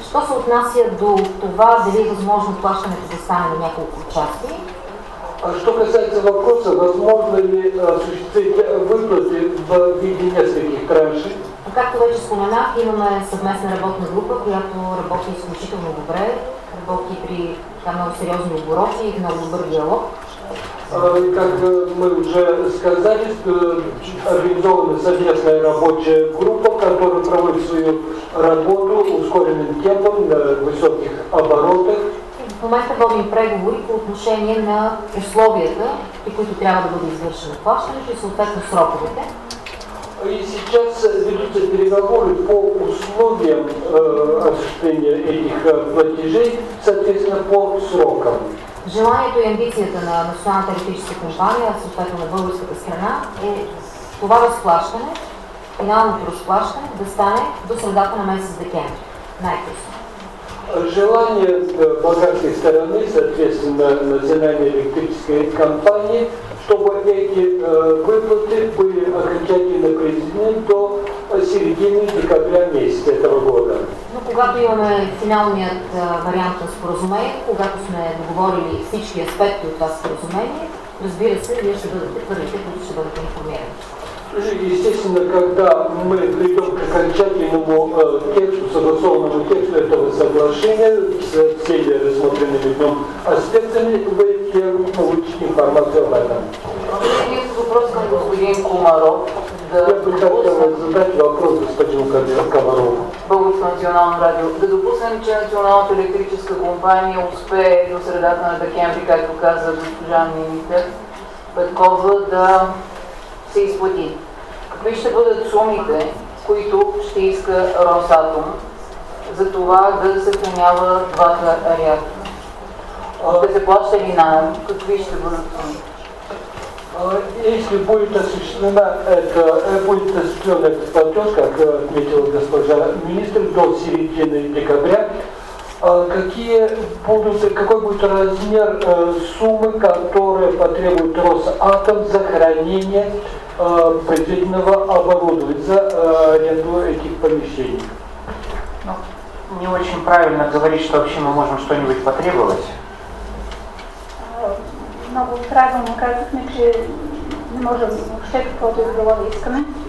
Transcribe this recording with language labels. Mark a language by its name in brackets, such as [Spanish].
[Bulgarian] Что се отнася до това, дали възможно плащането да стане на няколко части? [Russian] Что касается вопроса, [Bulgarian] възможно ли [Russian] осуществить выплаты в виде нескольких траншей? [Bulgarian] Както вече споменах, имаме съвместна работна група, която работи изключително добре, работи при много сериозни обороти и много добър диалог. [Russian] Как мы уже сказали, организована совместная рабочая группа, которая проводит свою работу ускоренным темпом на высоких оборотах. [Bulgarian] В момента водим преговори по отношение на условията, при които трябва да бъде извършено плащането и съответно сроковете. [Russian] И сейчас ведутся переговоры по условиям осуществления этих платежей, соответственно, по срокам. [Bulgarian] Желанието и амбицията на Националната електрическа компания, съответно на българската страна, е това разплащане, финалното разплащане да стане до средата на месец декември, най-късно. [Russian] Желание българской стороны, соответственно, Национальной электрической компании, чтобы эти выплаты были окончательно произведены до середины декабря месяца этого года. [Bulgarian] Но когато имаме финалният вариант на споразумение, когато сме договорили всички аспекти от това споразумение, разбира се, вие ще бъдете първите, които ще бъдете информирани. [Russian] Естественно, когда мы придем к окончательному тексту, согласованному тексту этого соглашения с всеми рассмотренными в нем аспектами, вы первым получите информацию об этом. Я бы хотел задать вопрос господину Комарову. [Bulgarian] Българското национално радио. Да допуснем, че Националната електрическа компания успее до средата на декември, както каза госпожа министър Петкова, да се изплати. Какви ще бъдат сумите, които ще иска Росатом за това да съхранява двата реактора? Ще се плаща ли наем? Какви ще бъдат? [Russian] Если будет осуществлена это, будет осуществлен этот платеж, как отметила госпожа министр, до середины декабря, какие будут, какой будет размер суммы, которая потребует Росатом за хранение произведенного оборудования, за аренду этих помещений? Ну, не очень правильно говорить, что вообще мы можем что-нибудь потребовать. [Bulgarian] Много правильно казахме, че не можем въобще каквото било да искаме.